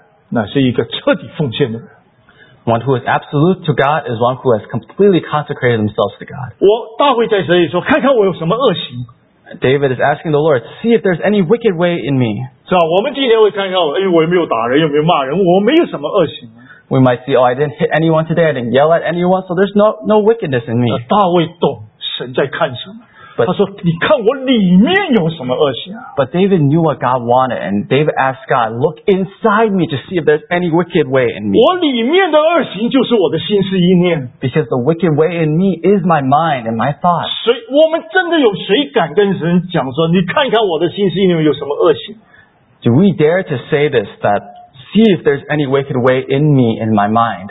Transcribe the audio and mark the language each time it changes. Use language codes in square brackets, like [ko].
[zh] 一个能够绝对的人,乃是一个彻底奉献的人。 [en] One who is absolute to God is one who has completely consecrated themselves to God. [zh] 大卫在这里说,看看我有什么恶行。 [en] David is asking the Lord, see if there's any wicked way in me. [zh] 是吧,我们今天会看看,我又没有打人,又没有骂人,我没有什么恶行。 [en] We might see, oh, I didn't hit anyone today, I didn't yell at anyone, so there's no wickedness in me. [zh] 大卫懂神在看什么。他说,你看我里面有什么恶行啊? [en] But David knew what God wanted, and David asked God, look inside me to see if there's any wicked way in me. [zh] 我里面的恶行就是我的心思意念。 [en] Because the wicked way in me is my mind and my thoughts. [zh] 我们真的有谁敢跟神讲说,你看看我的心思意念有什么恶行? [en] Do we dare to say this, that see if there's any wicked way in me, in my mind?